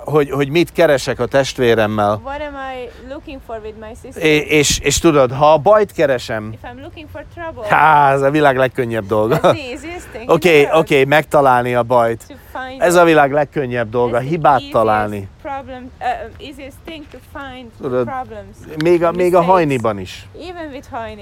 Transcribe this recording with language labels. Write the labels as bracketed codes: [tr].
[hu] Hogy mit keresek a testvéremmel. [en] What am I looking for with my sister? [hu] És tudod, ha a bajt keresem. [en] If I'm looking for trouble. [hu] Ha, ez a világ legkönnyebb dolga. [en] Okay, [hu] megtalálni a bajt. Ez a világ legkönnyebb dolga, hibát találni. [en] Problem, easiest thing to find. [hu] Tudod, [en] problems. [hu] Még a hajniban is. [en] Even with hajni.